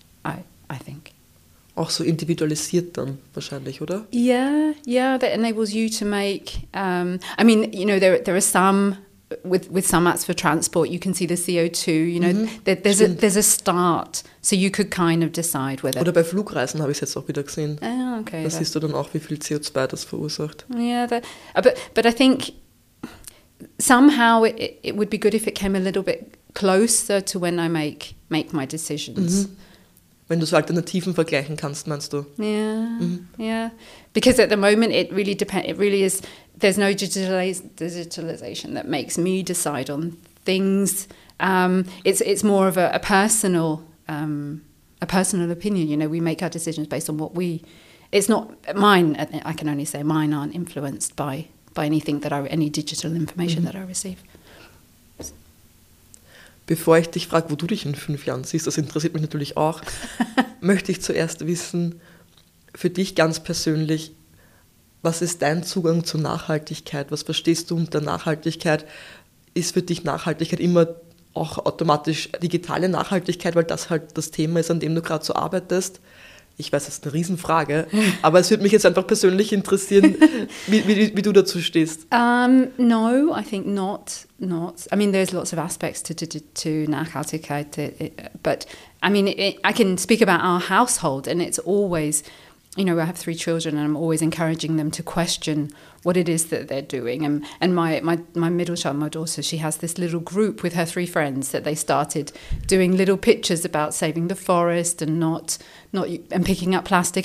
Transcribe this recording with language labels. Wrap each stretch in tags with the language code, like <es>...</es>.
<en>I think.</en> <de>Auch so individualisiert dann wahrscheinlich, oder?</de> <en>Yeah, that enables you to make... there are some with some apps for transport, you can see the CO2, you know, there's a start. So you could kind of decide whether.</en> <de>Oder bei Flugreisen habe ich es jetzt auch wieder gesehen. Ah, okay. Da siehst du dann auch, wie viel CO2 das verursacht.</de> <en>Yeah, but I think somehow it would be good if it came a little bit closer to when I make my decisions. Mhm.</en> <de>Wenn du so Alternativen vergleichen kannst, meinst du?</de> <en>Yeah. Because at the moment it really depends, it really is, there's no digitalization that makes me decide on things. It's more of a personal opinion. You know, we make our decisions based on what we, it's not mine, I can only say mine aren't influenced by anything that I, any digital information that I receive.</en> <de>Bevor ich dich frage, wo du dich in 5 Jahren siehst, das interessiert mich natürlich auch, möchte ich zuerst wissen, für dich ganz persönlich, was ist dein Zugang zur Nachhaltigkeit? Was verstehst du unter Nachhaltigkeit? Ist für dich Nachhaltigkeit immer auch automatisch digitale Nachhaltigkeit, weil das halt das Thema ist, an dem du gerade so arbeitest? Ich weiß, das ist eine Riesenfrage, aber es würde mich jetzt einfach persönlich interessieren, wie du dazu stehst.</de> <en>No, I think not. I mean, there's lots of aspects to Nachhaltigkeit, but I mean, I can speak about our household, and it's always, you know, I have 3 children, and I'm always encouraging them to question what it is that they're doing. And my middle child, my daughter, she has this little group with her 3 friends that they started doing little pictures about saving the forest and not picking up plastic.</en>